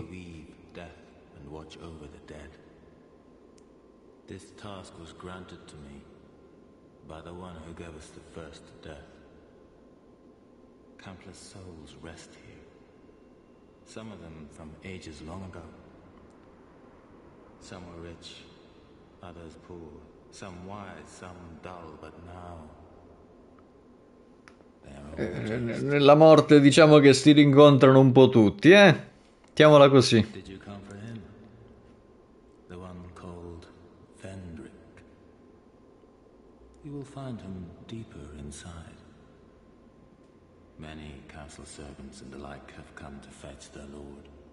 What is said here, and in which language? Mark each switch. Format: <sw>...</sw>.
<en>We weave death and watch over the dead. This task was granted to me by the one who gave us the first death. Countless souls rest here. Some of them from ages long ago. Some were rich, others poor, some wise, some dull, but now.</en> <it>Nella morte diciamo che si rincontrano un po' tutti, eh? Mettiamola così. Sì,</it> <en>Did you come for him? The one called Fendrick. You will find him deeper inside. Many castle servants and the like have come to fetch their lord.</en>